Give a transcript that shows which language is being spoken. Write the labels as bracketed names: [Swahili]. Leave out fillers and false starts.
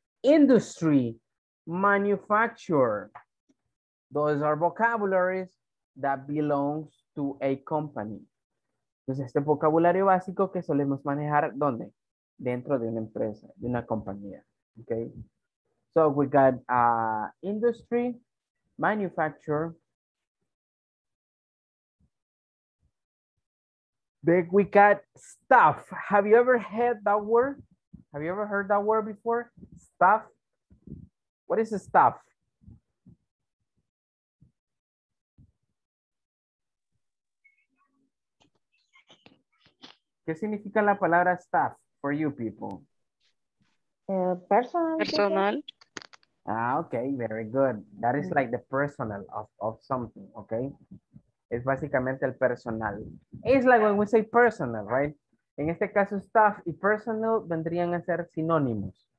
[English] Industry, manufacturer. Those are vocabularies that belongs to a company. [Spanish] Entonces, este vocabulario básico que solemos manejar, ¿dónde? Dentro de una empresa, de una compañía, okay? [English] So we got industry, manufacturer. Then we got staff. Have you ever heard that word? Have you ever heard that word before? Staff. What is a staff? [Spanish] ¿Qué significa la palabra staff [English] for you people? [Spanish] Personal. [English] Ah, okay, very good. That is like the personal of something, okay? [Spanish] Es básicamente el personal. [English] It's like when we say personal, right? [Spanish] En este caso, staff y personal vendrían a ser sinónimos.